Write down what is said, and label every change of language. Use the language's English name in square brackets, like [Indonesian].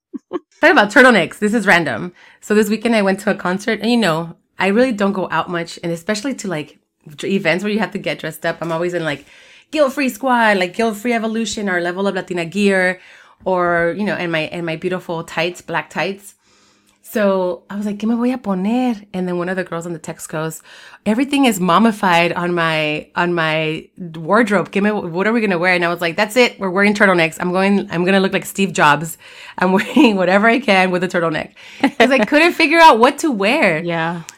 [English] Talk about turtlenecks. This is random. So this weekend I went to a concert, and you know, I really don't go out much, and especially to like events where you have to get dressed up. I'm always in like Guilt Free Squad, like Guilt Free Evolution or Level Up Latina gear, or you know, and my beautiful tights, black tights. [Spanish] So I was like, ¿qué me voy a poner? [English] And then one of the girls on the text goes, everything is mummified on my wardrobe. What are we going to wear? And I was like, that's it. We're wearing turtlenecks. I'm going to look like Steve Jobs. I'm wearing whatever I can with a turtleneck. Because I couldn't figure out what to wear. Yeah.